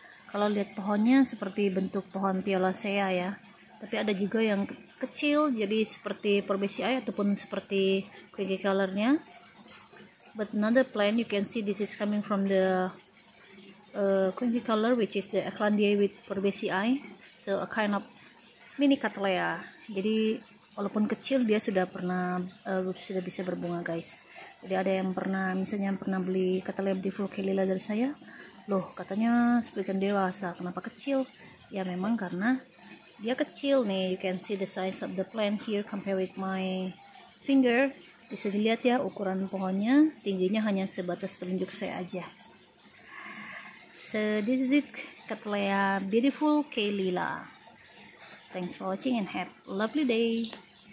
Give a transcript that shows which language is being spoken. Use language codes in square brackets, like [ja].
[id] Kalau lihat pohonnya seperti bentuk pohon violacea ya. Tapi ada juga yang kecil, jadi seperti forbesiae ataupun seperti quinky colornya. [en] But another plant, you can see this is coming from the quinky color, which is the eclandiae with forbesiae. So a kind of mini Cattleya. [id] Jadi walaupun kecil, dia sudah pernah sudah bisa berbunga guys. Jadi ada yang pernah, misalnya yang pernah beli Cattleya beautiful calila dari saya, loh katanya seperti dewasa, kenapa kecil? Ya memang karena dia kecil nih. [en] You can see the size of the plant here compared with my finger. [id] Bisa dilihat ya ukuran pohonnya, tingginya hanya sebatas telunjuk saya aja. [en] So this is it, Cattleya beautiful calila. Thanks for watching and have a lovely day.